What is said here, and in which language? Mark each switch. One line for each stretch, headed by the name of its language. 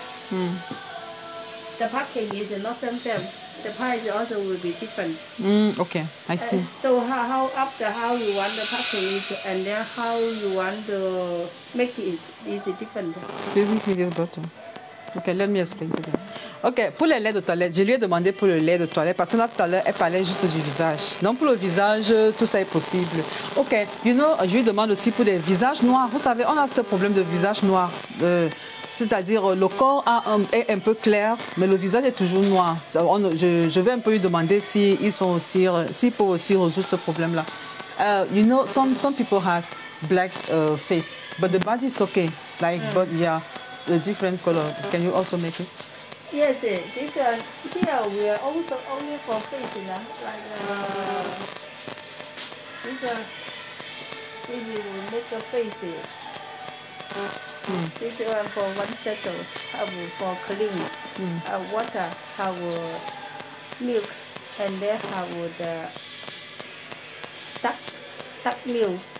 English: Mm. The pumpkin is not the same. The price also will be different. Mm, okay, I see. So how after how you want the pumpkin is, and then how you want to make it is different. Isn't it this button? Ok, let me explain to them.
French: Ok, pour le lait de toilette, je lui ai demandé pour le lait de toilette parce que là, tout à l'heure, elle parlait juste du visage. Non, pour le visage, tout ça est possible. Ok,
English: you know,
French: je lui demande aussi pour des visages noirs. Vous savez, on a ce problème de visage noir. C'est-à-dire, le corps est un peu clair, mais le visage est toujours noir. Je vais un peu lui demander s'ils sont aussi, s'ils peuvent aussi résoudre ce problème-là.
English: You know, some people has black face, but the body is ok. Like, but yeah. The different color. Can you also make it? Yes, this one here we are also only for face, like this one. If you make the face, this one for one set of have for clean water, have milk, and then have the duck milk.